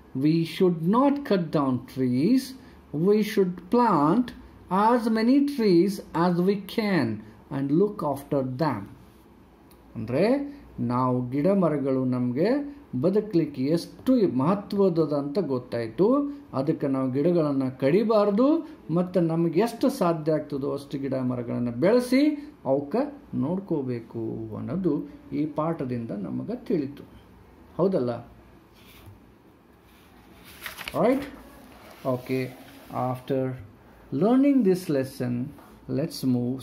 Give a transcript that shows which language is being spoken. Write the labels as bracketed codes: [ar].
[en] We should not cut down trees. We should plant as many trees as we can and look after them. [kn] ಅಂದರೆ ನಾವು ಗಿಡ ಮರಗಳು ನಮಗೆ ಬದುಕಲಿಕ್ಕೆ ಎಷ್ಟು ಮಹತ್ವದ ಅಂತ ಗೊತ್ತಾಯಿತು. ಅದಕ್ಕೆ ನಾವು ಗಿಡಗಳನ್ನು ಕಡಿಬಾರ್ದು, ಮತ್ತು ನಮಗೆ ಎಷ್ಟು ಸಾಧ್ಯ ಆಗ್ತದೋ ಅಷ್ಟು ಗಿಡ ಮರಗಳನ್ನು ಬೆಳೆಸಿ ಅವಕ್ಕೆ ನೋಡ್ಕೋಬೇಕು ಅನ್ನೋದು ಈ ಪಾಠದಿಂದ ನಮಗೆ ತಿಳಿತು. ಹೌದಲ್ಲ? Right. [en] Okay, after learning this lesson, let's move.